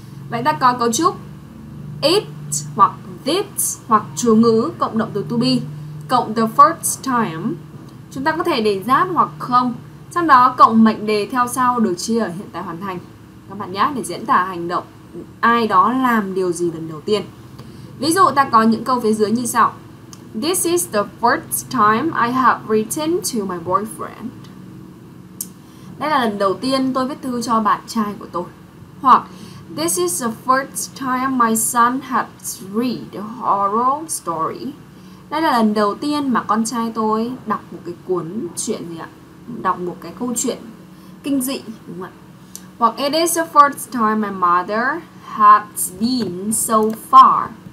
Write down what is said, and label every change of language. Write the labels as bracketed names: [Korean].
[Vietnamese] Vậy ta có cấu trúc it hoặc this hoặc chủ ngữ cộng động từ to be cộng the first time. Chúng ta có thể để giáp hoặc không. Sau đó cộng mệnh đề theo sau được chia ở hiện tại hoàn thành các bạn nhé, để diễn tả hành động ai đó làm điều gì lần đầu tiên. Ví dụ ta có những câu phía dưới như sau. [English] This is the first time I have written to my boyfriend. [Vietnamese] Đây là lần đầu tiên tôi viết thư cho bạn trai của tôi. Hoặc [English] this is the first time my son has read a horror story. [Vietnamese] Đây là lần đầu tiên mà con trai tôi đọc một cái cuốn truyện gì ạ? Đọc một cái câu chuyện kinh dị, đúng không ạ? Hoặc [English] it is the first time my mother has been so far.